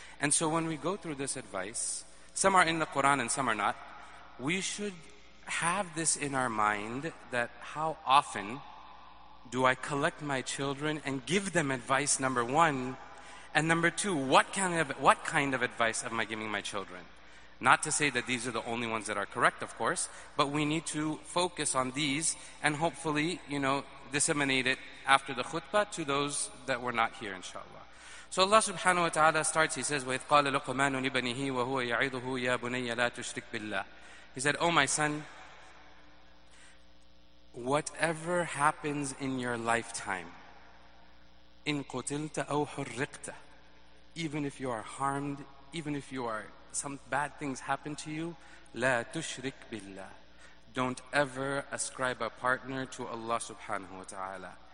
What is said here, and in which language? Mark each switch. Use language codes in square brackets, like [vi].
[en] And so when we go through this advice, some are in the Quran and some are not, we should have this in our mind that how often do I collect my children and give them advice, number one, and number two, what kind of advice am I giving my children? Not to say that these are the only ones that are correct, of course, but we need to focus on these and hopefully, you know, disseminate it after the khutbah to those that were not here, inshallah. So Allah subhanahu wa ta'ala starts, he says, [ar] وَإِذْ قَالَ لُقْمَانُ لِبَنِهِ وَهُوَ يَعِظُهُ يَا بُنَيَّ لَا تُشْرِكْ بِاللَّهِ. [en] He said, oh my son, whatever happens in your lifetime, [ar] إِن قُتِلْتَ أَوْ حُرِّقْتَ, [en] even if you are harmed, even if you are some bad things happen to you, [ar] لَا تُشْرِكْ بِاللَّهِ, [en] don't ever ascribe a partner to Allah subhanahu wa ta'ala.